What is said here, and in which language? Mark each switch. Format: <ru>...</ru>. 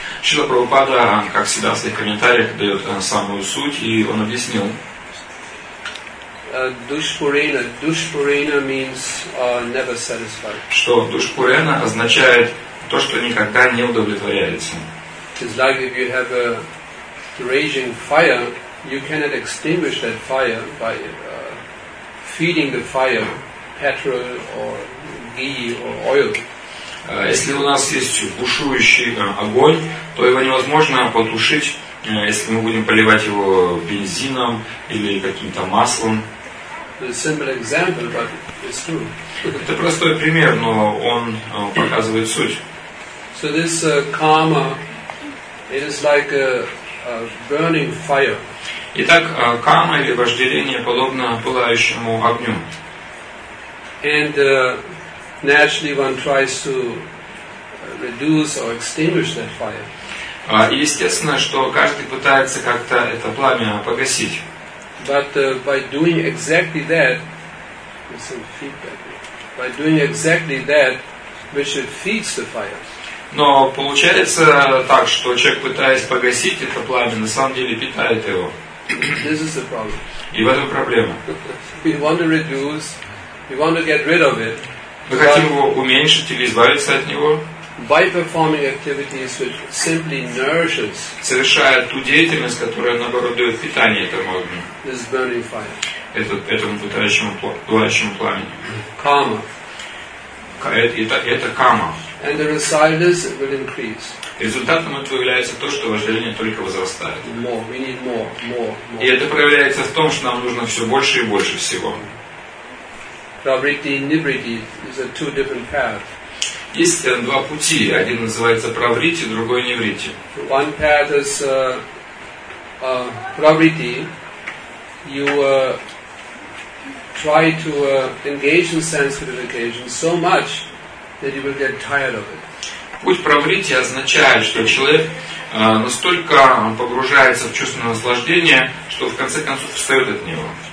<ru>Шрила Прабхупада, как всегда, в своих комментариях дает самую суть, и он объяснил.</ru> <en>Душпурена means never satisfied.</en> <ru>Что душпурена означает то, что никогда не удовлетворяется.</ru> <en>It's like if you have a raging fire, you cannot extinguish that fire by feeding the fire petrol or ghee or oil.</en> <ru>Если у нас есть бушующий огонь, то его невозможно потушить, если мы будем поливать его бензином или каким-то маслом. Это простой пример, но он показывает суть.</ru> <en>So this karma, it is like a burning fire.</en> <ru>Итак, карма или вожделение подобно пылающему огню.</ru> <en>And naturally, one tries to reduce or extinguish that fire.</en> <ru>Естественно, что каждый пытается как-то это пламя погасить.</ru> <en>But by doing exactly that, some feedback. By doing exactly that, which it feeds the fire.</en> <ru>Но получается так, что человек, пытаясь погасить это пламя, на самом деле питает его.</ru> <en>This is the problem.</en> <ru>И в этом проблема.</ru> <en>We want to reduce. We want to get rid of it.</en> <ru>Мы хотим его уменьшить или избавиться от него,</ru> <en>by performing activities which simply nourishes,</en> <ru>совершая ту деятельность, которая, наоборот, дает питание этому огню,</ru> <en>this burning fire.</en> <ru>Этому пылающему пламени.</ru> <en>Karma.</en> <ru>Это карма.</ru> <en>And the result is it will increase.</en> <ru>Результатом этого является то, что вожделение только возрастает.</ru> <en>More. We need more. More. More.</en> <ru>И это проявляется в том, что нам нужно все больше и больше всего.</ru> <en>Pravritti and Nivritti is a two different paths.</en> <ru>Есть два пути. Один называется Pravritti, другой Nivritti.</ru> <en>One path is Pravritti, try to engage in sense gratification so much that you will get tired of it.</en> <ru>Путь провритти означает, что человек настолько погружается в чувственное наслаждение, что в конце концов встает от него.</ru>